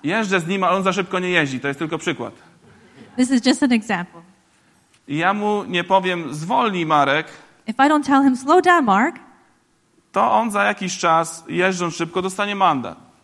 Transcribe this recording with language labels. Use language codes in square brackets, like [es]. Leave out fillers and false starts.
[pl] jeżdżę z nim, ale on za szybko nie jeździ. To jest tylko przykład. [en] This is just an example. [pl] I ja mu nie powiem, zwolnij, Marek. [en] If I don't tell him, slow down, Mark. [pl] To on za jakiś czas, jeżdżąc szybko, dostanie mandat.